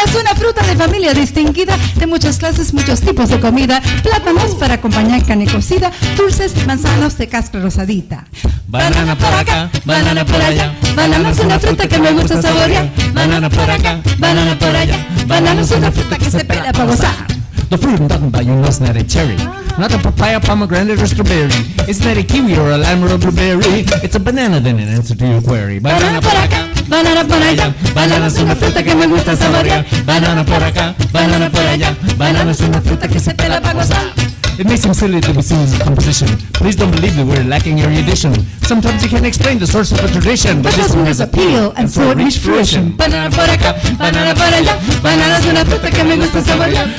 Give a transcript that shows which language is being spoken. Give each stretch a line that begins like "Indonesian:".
Spanish: Es una fruta de familia distinguida, de muchas clases, muchos tipos de comida. Plátanos para acompañar carne cocida, dulces, manzanas de cáscara rosadita. Banana por acá, banana por allá. Banana es una fruta que me gusta saborear. Banana por acá, banana por allá. Banana es una fruta que se pela para gozar.
English: The fruit I'm talking about, you know, it's not a cherry. Not a papaya, pomegranate, or strawberry. It's not a kiwi or a lime or a blueberry. It's a banana, then an answer to your query.
Spanish: Banana por acá, banana por allá. Banana es una fruta que me gusta saborear. Banana por acá, banana por allá. Banana es una fruta que se pela para gozar.
English: It may seem silly to be seen as a composition. Please don't believe that we're lacking erudition. Sometimes you can't explain the source of a tradition, but this one has appeal, and so it reached fruition.
Spanish: Banana por acá, banana por allá. Banana es una fruta que me gusta saborear.